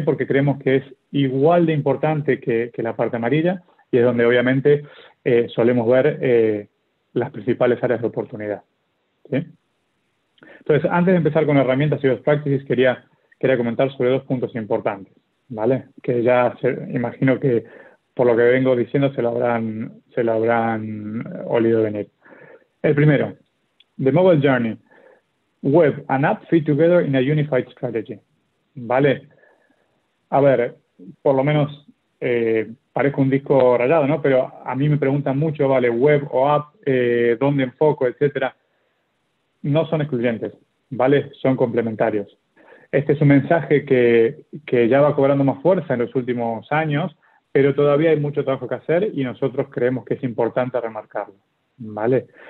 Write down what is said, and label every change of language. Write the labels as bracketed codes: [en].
[es] Porque creemos que es igual de importante que la parte amarilla y es donde, obviamente, solemos ver las principales áreas de oportunidad, ¿sí? Entonces, antes de empezar con herramientas y best practices, quería comentar sobre dos puntos importantes, ¿vale? Que ya imagino que, por lo que vengo diciendo, se lo habrán olido venir. El primero, [en] the mobile journey. Web and app fit together in a unified strategy. [es] ¿Vale? A ver, por lo menos parezco un disco rayado, ¿no? Pero a mí me preguntan mucho, ¿vale? Web o app, ¿dónde enfoco, etcétera? No son excluyentes, ¿vale? Son complementarios. Este es un mensaje que ya va cobrando más fuerza en los últimos años, pero todavía hay mucho trabajo que hacer y nosotros creemos que es importante remarcarlo, ¿vale?